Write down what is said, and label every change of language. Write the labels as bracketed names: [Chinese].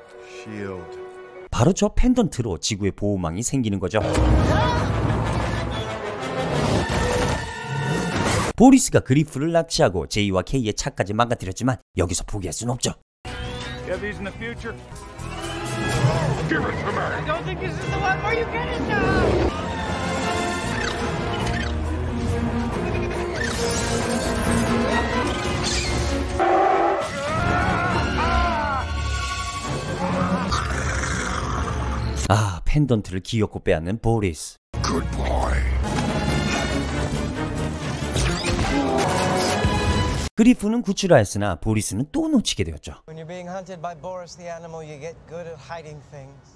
[English] Shield. [Korean] 바로 저 펜던트로 지구의 보호망이 생기는 거죠. 보리스가 그리프를 납치하고 제이와 케이의 차까지 망가뜨렸지만 여기서 포기할 순 없죠. [English] Yeah, these in the future. Give it to me. I don't think this is the one where you get it now. [Korean] 아, 펜던트를 귀엽고 빼앗는 보리스. [English] Good boy. [Korean] 그리프는 구출하였으나 보리스는 또 놓치게 되었죠. [English] When you're being hunted by Boris the animal, you get good at hiding things.